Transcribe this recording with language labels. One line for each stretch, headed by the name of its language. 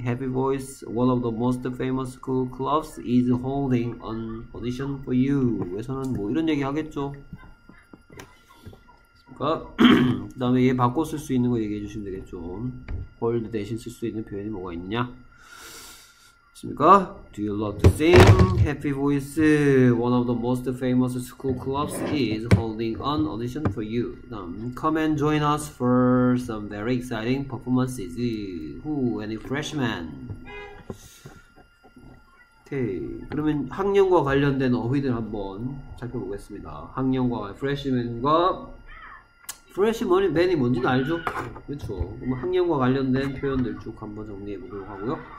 English: Happy Voice, one of the most famous school clubs, is holding an audition for you.
Korean: 에서는 뭐 이런 얘기 하겠죠. 그러니까 그 다음에 얘 바꿔 쓸 수 있는 거 얘기해 주시면 되겠죠. Hold 대신 쓸 수 있는 표현이 뭐가 있느냐. 습니까?
English: Do you love to sing? Happy Voice, one of the most famous school clubs, is holding an audition for you. Come and join us for some very exciting performances. Who? Any freshman? Okay.
Korean: 그러면 학년과 관련된 어휘들 한번 살펴보겠습니다. 학년과 freshman과 freshman이 뭔지 알죠? 그렇죠. 그럼 학년과 관련된 표현들 쭉 한번 정리해 보도록 하고요.